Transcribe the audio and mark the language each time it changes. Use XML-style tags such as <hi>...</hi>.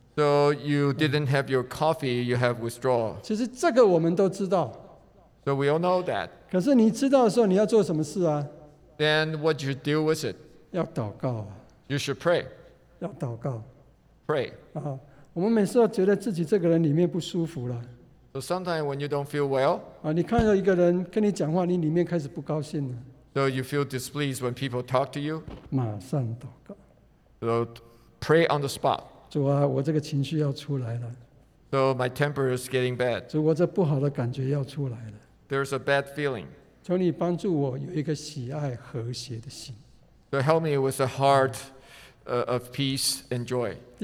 <en>So you didn't have your coffee, you have withdrawal.</en> <zh>其实这个我们都知道。</zh> <en>So we all know that.</en> <zh>可是你知道的时候，你要做什么事啊？</zh> <en>Then what you do with it?</en> <zh>要祷告啊。</zh> <en>You should pray.</en> <zh>要祷告。</zh> <en>Pray.</en> <zh>啊，我们每次都觉得自己这个人里面不舒服了。</zh> <en>So sometimes when you don't feel well.</en> <zh>啊，你看到一个人跟你讲话，你里面开始不高兴了。</zh> <en>So you feel displeased when people talk to you.</en> <zh>马上祷告。</zh> <en>So pray on the spot.</en> <zh>主啊，我这个情绪要出来了。</zh> <en>So my temper is getting bad.</en> <zh>主，我这不好的感觉要出来了。</zh> <en>There's a bad feeling.</en> <zh>求你帮助我有一个喜爱和谐的心。</zh> <en>So help me with a heart of peace and joy.</en>